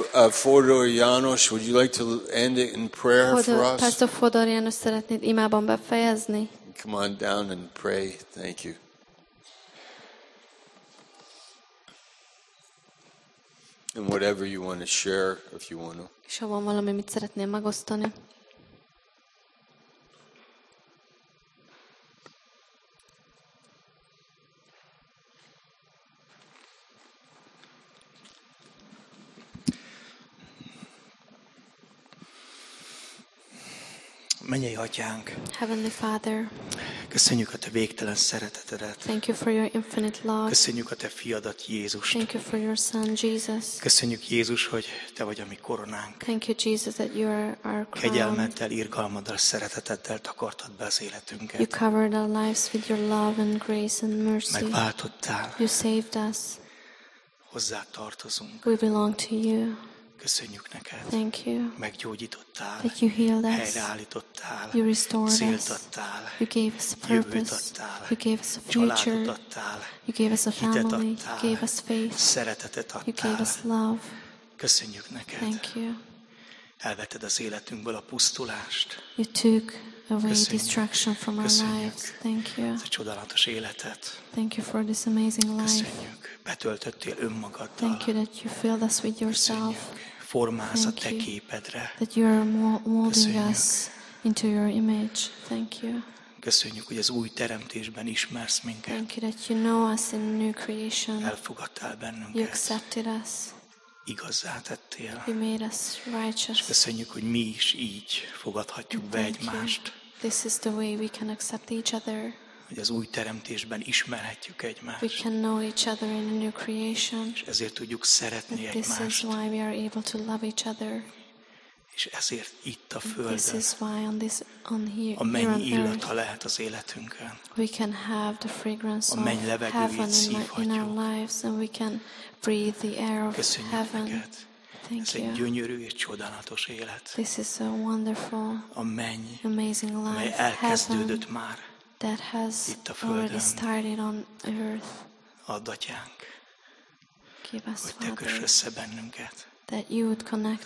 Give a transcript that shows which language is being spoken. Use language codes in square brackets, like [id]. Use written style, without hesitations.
[en] Fodor János, would you like to end it in prayer for us? [hu] Pastor Fodor János, szeretnéd imában befejezni? [en] Come on down and pray. Thank you. And whatever you want to share, if you want to. [hu] És ha van valami, mit szeretnél megosztani? Mennyei Atyánk. [en] Heavenly Father. [hu] Köszönjük a te végtelen szeretetedet. [en] Thank you for your infinite love. [hu] Köszönjük a te fiadat Jézust. [en] Thank you for your son Jesus. [hu] Köszönjük Jézus, hogy te vagy a mi koronánk. [en] Thank you Jesus that you are our crown. [hu] Kegyelmeddel, irgalmaddal, szereteteddel takartad be az életünket. [en] You covered our lives with your love and grace and mercy. [hu] Megváltottál. [en] You saved us. [hu] Hozzá tartozunk. [en] We belong to you. [hu] Köszönjük neked. [en] Thank you. [hu] Meggyógyítottál. [en] That you healed us. [hu] Helyreállítottál. [en] You restored us. [hu] Széltattál. [en] You gave us a purpose. [hu] Jövőt adtál. [en] You gave us a future. [hu] Családot adtál. [en] You gave us a family. [hu] Hitet adtál. [en] You gave us faith. [hu] Szeretetet adtál. [en] You gave us love. [hu] Köszönjük neked. [en] Thank you. [hu] Elvetted az életünkből a pusztulást. [en] You took away destruction from our lives. Thank you. [hu] A csodálatos életet. [en] Thank you for this amazing life. [hu] Köszönjük. Betöltöttél önmagaddal. [en] Thank you that you filled us with yourself. [hu] Formálsz a te képedre. [en] That you are molding us into your image. Thank you. [hu] Köszönjük, hogy az új teremtésben ismersz minket. [en] Thank you that you know us in new creation. [hu] Elfogadtál bennünket. [en] You accepted us. [hu] Igazzá tettél. [en] You made us righteous. [hu] Köszönjük, hogy mi is így fogadhatjuk be egymást. [en] This is the way we can accept each other. [hu] hogy az új teremtésben ismerhetjük egymást. [en] We can know each other in a new creation. [hu] És ezért tudjuk szeretni egymást. [en] This is why we are able to love each other. [hu] És ezért itt a földön. [en] This is why on this on here. [hu] A menny illata lehet az életünkön. [en] We can have the fragrance of heaven in our lives, and we can breathe the air of heaven. [hu] Ez egy gyönyörű és csodálatos élet. [en] This is a wonderful, [hu] a menny, [en] amazing life. [hu] Mely elkezdődött már. [en] That has [hu] itt a földön. [en] Already started on earth. [hu] Add atyánk, [en] give us, [hu] hogy te kössz össze bennünket. [en] That you would connect